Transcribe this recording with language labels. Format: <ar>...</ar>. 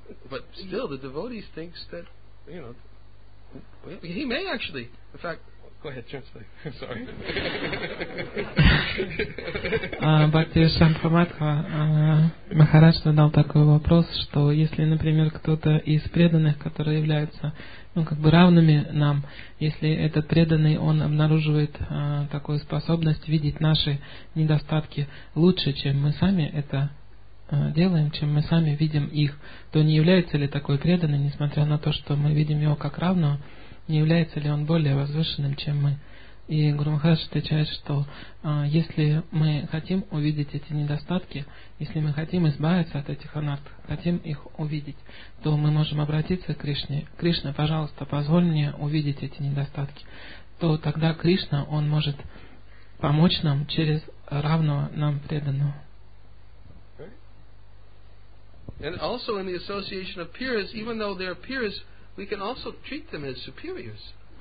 <en>But still, the devotee thinks that, you know, he may actually. In fact, go ahead, translate. I'm sorry.</en> <ru>Бхакти Шанпрамадха Махарадж задал такой вопрос, что если, например, кто-то из преданных, которые являются равными нам, если этот преданный, он обнаруживает такую способность видеть наши недостатки лучше, чем мы сами это делаем, чем мы сами видим их, то не является ли такой преданный, несмотря на то, что мы видим его как равного, не является ли он более возвышенным, чем мы? И Гуру Махарадж отвечает, что если мы хотим увидеть эти недостатки, если мы хотим избавиться от этих анарт, хотим их увидеть, то мы можем обратиться к Кришне. Кришна, пожалуйста, позволь мне увидеть эти недостатки. То тогда Кришна, он может помочь нам через равного нам преданного.</ru> <en>And also in the association of peers, even though they're peers, we can also treat them as superiors.</en>